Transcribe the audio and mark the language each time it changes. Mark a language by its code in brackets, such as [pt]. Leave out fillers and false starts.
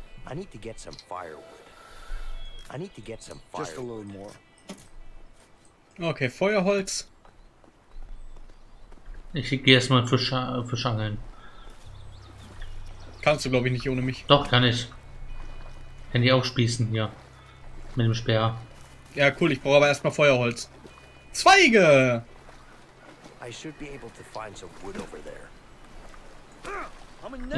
[en] I need to get some firewood. I need to get some firewood. Just a little more. [de] Okay, Feuerholz. Ich gehe erstmal Fisch angeln. Kannst du, glaube ich, nicht ohne mich. Doch, kann ich. Kann ich auch spießen hier. Mit dem Speer. Ja, cool, ich brauche aber erstmal Feuerholz. Zweige! [en] I should be able to find some wood over there.